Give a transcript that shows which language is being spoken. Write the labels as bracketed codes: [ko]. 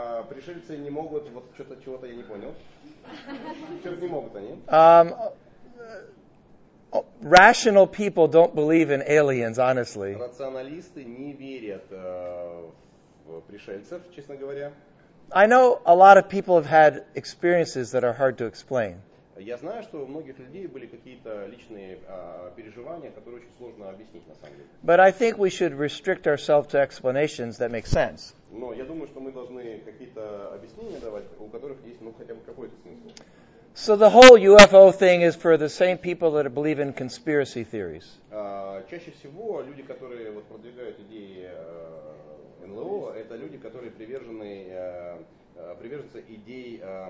[ru] Пришельцы не могут вот чего-то я не понял. Чего-то не могут они. [en] Rational people don't believe in aliens, honestly. [ru] Рационалисты не верят в пришельцев, честно говоря. [en] I know a lot of people have had experiences that are hard to explain. [ru] Я знаю, что у многих людей были какие-то личные переживания, которые очень сложно объяснить на самом деле. [en] But I think we should restrict ourselves to explanations that make sense. [ru] Но я думаю, что мы должны какие-то объяснения давать, у которых есть, ну, хотя бы какой-то смысл. [en] So the whole UFO thing is for the same people that believe in conspiracy theories. [ru] Чаще всего люди, которые вот продвигают идеи НЛО, это люди, которые приверженцы идей